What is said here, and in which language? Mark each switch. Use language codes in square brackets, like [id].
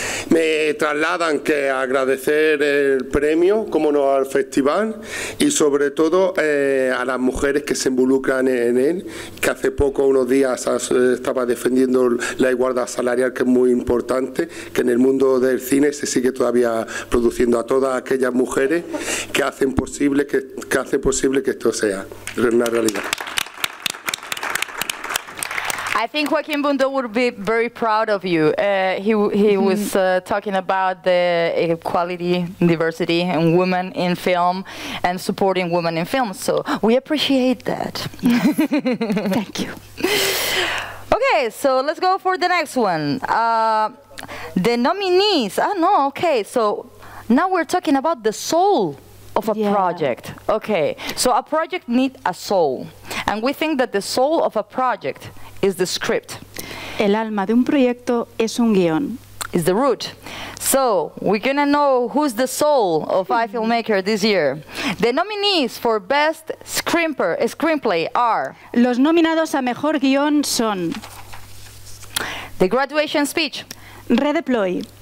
[es] Me trasladan que agradecer el premio, como no al festival, y sobre todo a las mujeres que se involucran en él, que hace poco, unos días, estaba defendiendo la igualdad salarial, que es muy importante, que en el mundo del cine se sigue todavía produciendo, a todas aquellas mujeres que hacen posible que esto sea una realidad. [en] I think Joaquín Bundó would be very proud of you. He mm-hmm. was talking about the equality, diversity, and women in film, and supporting women in film. So we appreciate that. Yes. Thank you. Okay, so let's go for the next one. The nominees. Ah, no, okay. So now we're talking about the soul of a project. Okay, so a project needs a soul. And we think that the soul of a project is the script. [es] El alma de un proyecto es un guion. [en] Is the root. So, we're gonna know who's the soul of mm-hmm. iFilmmaker this year. The nominees for Best Screenplay are... [es] Los nominados a Mejor Guion son... [en] The Graduation Speech. Redeploy.